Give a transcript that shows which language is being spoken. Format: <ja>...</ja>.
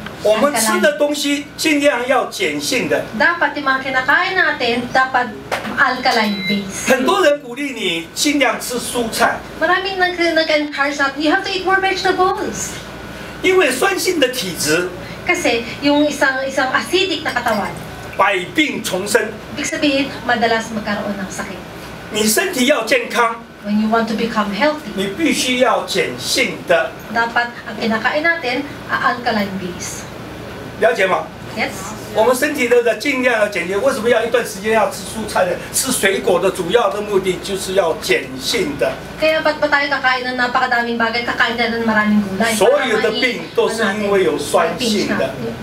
<zh>我们吃的东西尽量要碱性的.</zh> <tl>Dapat 'yung mga kinakain natin dapat alkaline base.</tl> <zh>很多人鼓励你尽量吃蔬菜.</zh> <tl>Maraming nag-encourage natin,</tl> <en>you have to eat more vegetables.</en> <zh>因为酸性的体质.</zh> <tl>Kasi 'yung isang acidic na katawan.</tl> <zh>百病重生.</zh> <tl>Ibig sabihin, madalas magkaroon ng sakit.</tl> <zh>你身体要健康,</zh> <en>when you want to become healthy,</en> <zh>你必须要碱性的.</zh> <tl>Dapat ang kinakain natin, alkaline base.</tl> <zh>了解吗?</zh> <en>Yes.</en> <zh>我们身体都在尽量要碱性, 为什么要一段时间要吃蔬菜的? 吃水果的主要的目的就是要碱性的.</zh> <tl>Kaya ba't ba tayo kakain ng napakadaming bagay, kakain na ng maraming gulay?</tl> <zh>所有的病都是因为有酸性的.</zh>